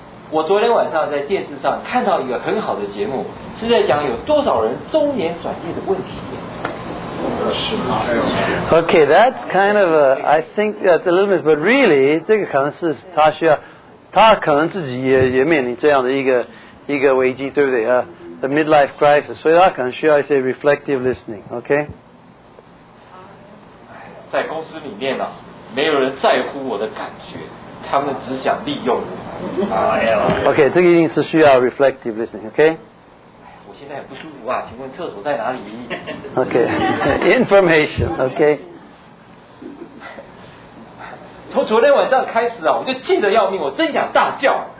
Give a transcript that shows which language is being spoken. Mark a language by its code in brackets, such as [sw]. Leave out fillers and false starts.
[zh] 我昨天晚上在电视上看到一个很好的节目，是在讲有多少人中年转业的问题。 [en] OK， that's kind of a I think that's a little bit， but really 这个可能是他需要。 [zh] 他可能自己也面临这样的一个危机，对不对啊 ？ The midlife crisis，所以他可能需要一些 reflective listening， OK？在公司里面呢、啊，没有人在乎我的感觉，他们只想利用我。 OK， 这个一定是需要 reflective listening， OK？我现在很不舒服啊，请问厕所在哪里？OK， information， OK。从昨天晚上开始啊，我就气得要命，我真想大叫。